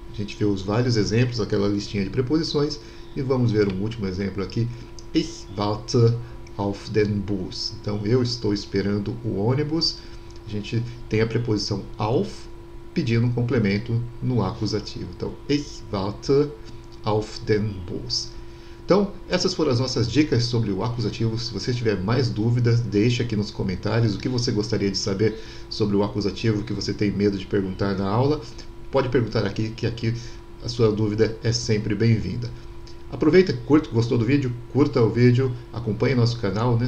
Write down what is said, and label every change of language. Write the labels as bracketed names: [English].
[Portuguese] A gente vê os vários exemplos, aquela listinha de preposições. E vamos ver um último exemplo aqui. [German] Ich warte auf den Bus. [Portuguese] Então, eu estou esperando o ônibus. A gente tem a preposição auf pedindo um complemento no acusativo. Então, [German] ich warte auf den Bus. [Portuguese] Então, essas foram as nossas dicas sobre o acusativo. Se você tiver mais dúvidas, deixe aqui nos comentários o que você gostaria de saber sobre o acusativo que você tem medo de perguntar na aula. Pode perguntar aqui, que aqui a sua dúvida é sempre bem-vinda. Aproveita, curta, gostou do vídeo? Curta o vídeo, acompanhe nosso canal, né?